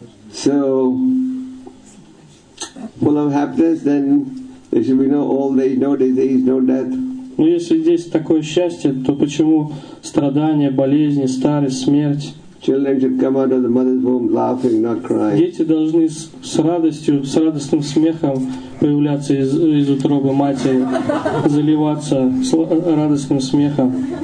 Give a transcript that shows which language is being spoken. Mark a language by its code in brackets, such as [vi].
[en] So, full of happiness, then there should be no old age, no disease, no death. [ru] Но если здесь такое счастье, то почему страдания, болезни, старость, смерть? [en] Children should come out of the mother's womb laughing, not crying. [ru] Дети должны с радостью, с радостным смехом появляться из утробы матери, заливаться радостным смехом.